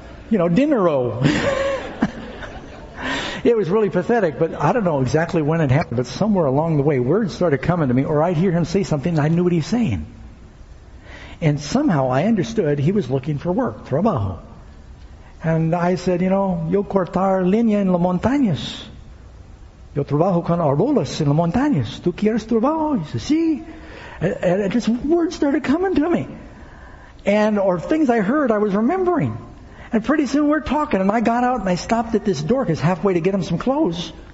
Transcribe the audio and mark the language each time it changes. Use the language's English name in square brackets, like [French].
[English] You know, dinero. It was really pathetic, but I don't know exactly when it happened, but somewhere along the way, words started coming to me, or I'd hear him say something, and I knew what he was saying. And somehow I understood he was looking for work, trabajo. And I said, you know, [Spanish] yo cortar leña en las montañas. Yo trabajo con árboles en las montañas. ¿Tú quieres trabajo? [English] He said, [Spanish] sí. [English] And just words started coming to me. Or things I heard, I was remembering. And pretty soon we're talking, and I got out and I stopped at this door because halfway to get him some clothes.